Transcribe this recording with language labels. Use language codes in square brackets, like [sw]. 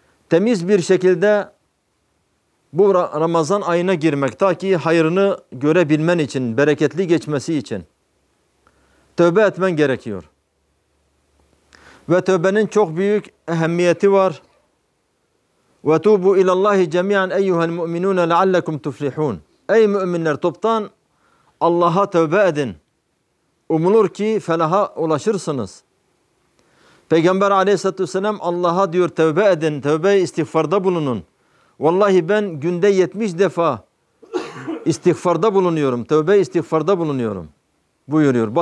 [tr] Temiz bir şekilde bu Ramazan ayına girmek, ta ki hayrını görebilmen için, bereketli geçmesi için tövbe etmen gerekiyor. Ve tövbenin çok büyük ehemmiyeti var. [ar] وَتُوبُوا اِلَى اللّٰهِ جَمِيعًا اَيُّهَا الْمُؤْمِنُونَ لَعَلَّكُمْ تُفْلِحُونَ [tr] Ey müminler, toptan Allah'a tövbe edin. Umulur ki felaha ulaşırsınız. Peygamber aleyhissalatü vesselam Allah'a diyor tövbe edin, tövbe-i istiğfarda bulunun. Vallahi ben günde 70 defa istiğfarda bulunuyorum, tövbe-i istiğfarda bulunuyorum buyuruyor.